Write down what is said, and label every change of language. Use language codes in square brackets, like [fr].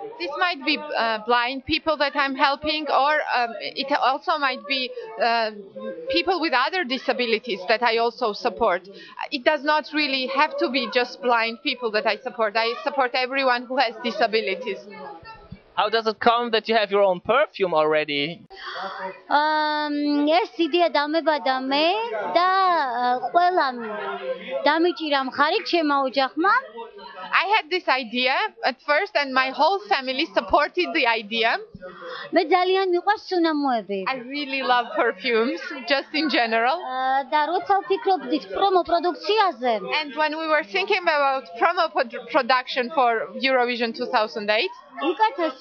[en] This might be blind people that I'm helping or it also might be people with other disabilities that I also support. It does not really have to be just blind people that I support. I support everyone who has disabilities. How does it come that you have your own perfume already? [ka] ეს იდეა დამებადა მე და ყველამ დამიჭირა მხარი ჩემო ოჯახმა. [en] I had this idea at first and my whole family supported the idea. [ka] მე ძალიან მიყვარს სუნამოები. [en] I really love perfumes just in general. [ka] და როცა ვფიქრობდით პრომო პროდუქციაზე. [en] And when we were thinking about promo production for Eurovision 2008,